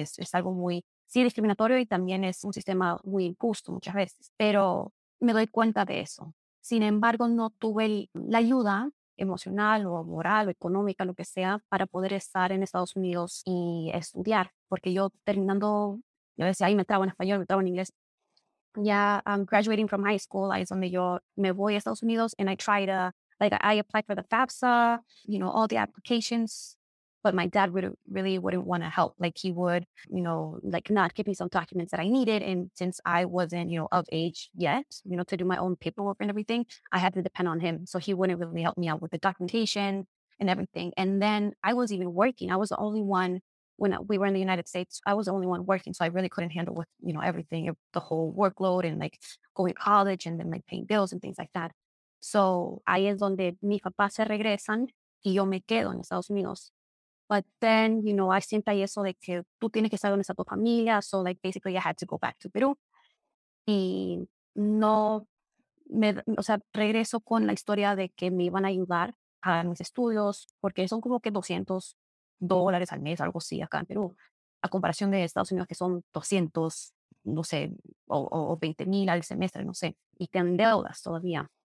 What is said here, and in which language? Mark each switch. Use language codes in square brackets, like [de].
[es] Es algo muy, sí, discriminatorio y también es un sistema muy injusto muchas veces, pero me doy cuenta de eso. Sin embargo, no tuve la ayuda emocional o moral o económica, lo que sea, para poder estar en Estados Unidos y estudiar. Porque yo terminando, yo decía, ahí me trabo en español, me trabo en inglés. [en] Ya, graduating from high school, [es] ahí es donde yo me voy a Estados Unidos [en] and I try to, like, I applied for the FAFSA, you know, all the applications, but my dad really wouldn't want to help. Like, he would, you know, like, not give me some documents that I needed. And since I wasn't, you know, of age yet, you know, to do my own paperwork and everything, I had to depend on him. So he wouldn't really help me out with the documentation and everything. And then I was even working. I was the only one. When we were in the United States, I was the only one working, so I really couldn't handle with, you know, everything, the whole workload and like going to college and then like paying bills and things like that. So [es] ahí es donde mis papás se regresan y yo me quedo en Estados Unidos. [en] But then, you know, I [es] siento ahí eso de que tú tienes que estar donde está tu familia. [en] So like basically I had to go back to Peru. [es] Y no, regreso con la historia de que me iban a ayudar a mis estudios porque son como que $200 al mes, algo así, acá en Perú, a comparación de Estados Unidos, que son 200, no sé, o 20 mil al semestre, no sé, y tienen deudas todavía.